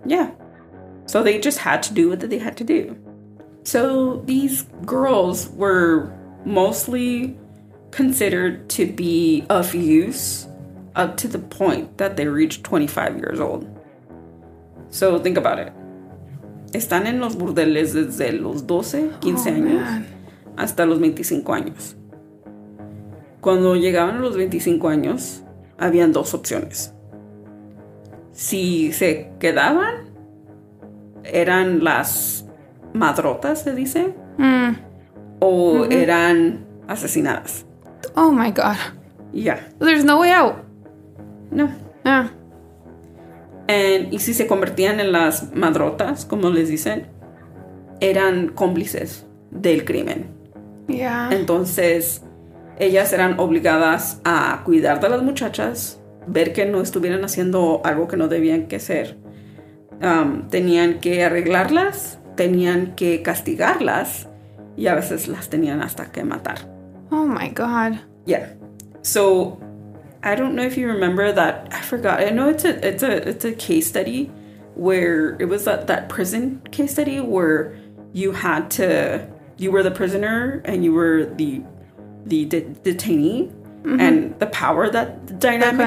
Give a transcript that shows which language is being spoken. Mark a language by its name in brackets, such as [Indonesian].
[English] Yeah. So they just had to do what they had to do. So these girls were mostly considered to be of use up to the point that they reached 25 years old. So think about it. [Spanish] Están en los burdeles desde los 12, 15 años hasta los 25 años. Cuando llegaban a los 25 años, habían dos opciones. Si se quedaban, eran las madrotas, se dice, o eran asesinadas. [English] Oh my God. Yeah. There's no way out. No. Yeah. [Spanish] Y si se convertían en las madrotas, como les dicen, eran cómplices del crimen. [English] Yeah. [Spanish] Entonces, ellas eran obligadas a cuidar de las muchachas, ver que no estuvieran haciendo algo que no debían que hacer. Tenían que arreglarlas, tenían que castigarlas, y a veces las tenían hasta que matar. [English] Oh my God. Yeah. So, I don't know if you remember that. I forgot. I know it's a case study where it was that prison case study where you were the prisoner and you were the detainee and the power that the dynamic